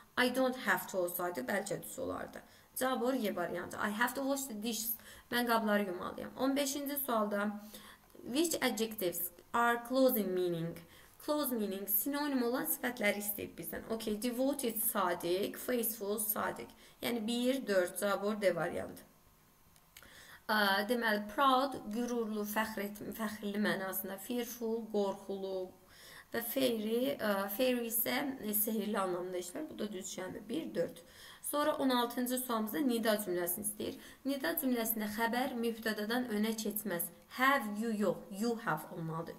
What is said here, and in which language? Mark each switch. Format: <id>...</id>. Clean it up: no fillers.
<en>I don't have to</en> <az>olsaydı, bəlkə düz olardı. Cavab olur, y variantı.</az> <en>I have to wash the dishes.</en> <az>Mən qabları yumalıyam. 15-ci sualda,</az> <en>which adjectives are closing meaning?</en> <az>Close meaning, sinonim olan sifətləri istəyib bizdən. Ok, devoted, sadiq, faithful, sadiq. Yəni, 1-4, cavab olur, D variantı. Deməli, proud, gururlu, fəxrli mənasında, fearful, qorxulu və fairy, fairy isə sehirli anlamda işlər. Bu da düz gəlmir, 1-4. Sonra 16-cı sualımızda nida cümləsini istəyir. Nida cümləsində xəbər mübtədadan önə keçməz. Have you yox, you have olmalıdır.</az>